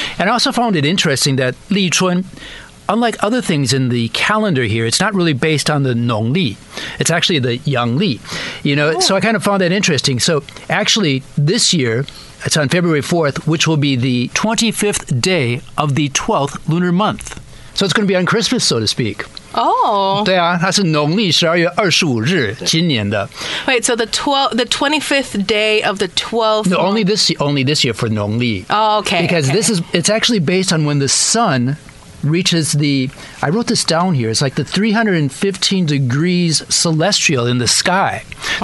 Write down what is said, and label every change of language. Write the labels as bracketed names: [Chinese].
[English] And I also found it interesting that Li Chun, unlike other things in the calendar here, it's not really based on the Nongli. It's actually the Yangli. So I kind of found that interesting. So actually this year, it's on February 4th, which will be the 25th day of the 12th lunar month. So it's going to be on Christmas, so to speak. Oh. [Chinese] 对啊,它是农历12月25日,今年的。 [English] Wait, so the 25th day of the 12th... No, only this year for 农历. Oh, okay. Because this is, it's actually based on when the sun reaches the, I wrote this down here, it's like the 315 degrees celestial in the sky. Wow.